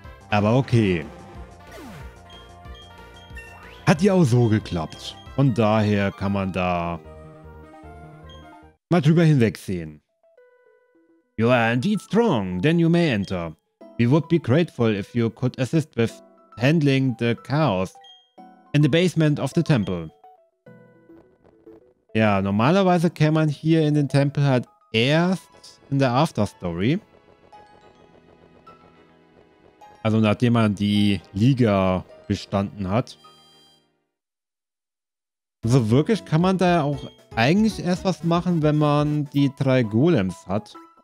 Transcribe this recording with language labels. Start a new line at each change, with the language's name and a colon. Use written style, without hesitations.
German: Aber okay. Hat ja auch so geklappt. Von daher kann man da mal drüber hinwegsehen.
English: You are indeed strong, then you may enter. We would be grateful if you could assist with handling the chaos in the basement of the temple.
German: Ja, normalerweise käme man hier in den Tempel halt erst in der Afterstory. Also nachdem man die Liga bestanden hat. Also wirklich kann man da auch eigentlich erst was machen, wenn man die drei Golems hat.